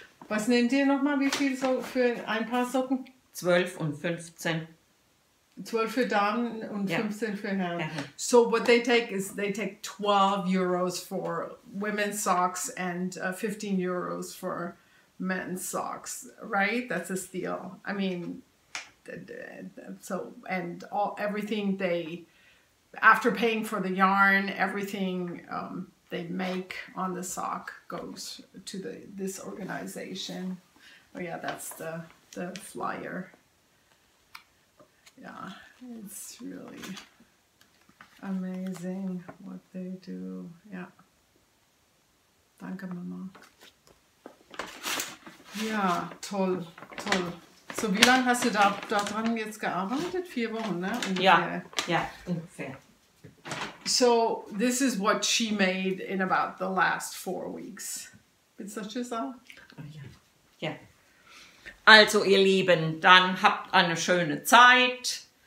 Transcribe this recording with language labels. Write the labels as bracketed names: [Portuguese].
[German] Was nehmt ihr nochmal, wie viel so für ein paar Socken? 12 und 15. 12 für Damen und 15 für Herren. Yeah. [English] So what they take is they take 12 euros for women's socks and 15 euros for men's socks, right? That's a steal. I mean, so, and all everything they, after paying for the yarn, everything they make on the sock goes to the this organization. Oh yeah, that's the flyer. Yeah, it's really amazing what they do. Yeah. [German] Danke, Mama. Yeah, toll, toll. So wie lange hast du da dran jetzt gearbeitet? 4 Wochen, ne? Ungefähr. [English] So this is what she made in about the last 4 weeks. [German] Bist du schon so? Ja. Also ihr Lieben, dann habt eine schöne Zeit.